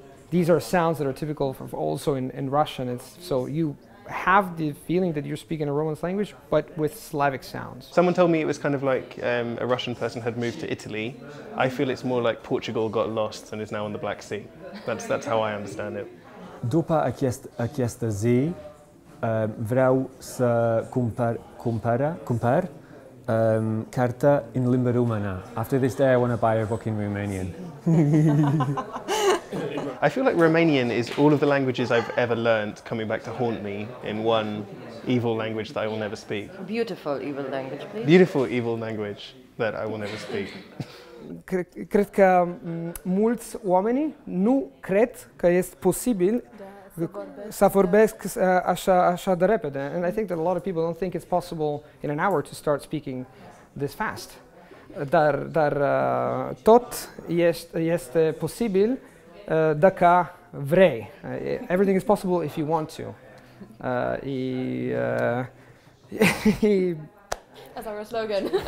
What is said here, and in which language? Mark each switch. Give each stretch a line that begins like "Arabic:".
English: These are sounds that are typical of also in Russian. It's so you have the feeling that you're speaking a Romance language, but with Slavic sounds. Someone told me it was kind of like a Russian person had moved to Italy. I feel it's more like Portugal got lost and is now on the Black Sea. That's how I understand it.
Romanian: După această zi, vreau să cumpăr carte în limba română.
English: After this day, I want to buy a book in Romanian. I feel like Romanian is all of the languages I've ever learned coming back to haunt me in one evil language that I will never speak. Beautiful evil language, please. Beautiful evil language that I will never speak.
Romanian: Cred că mulți oameni nu cred că este posibil să vorbesc așa de repede.
English: And I think that a lot of people don't think it's possible in an hour to start speaking this fast.
Romanian: Dar tot este posibil. Dacă vrei.
English: Everything is possible if you want to. That's our slogan.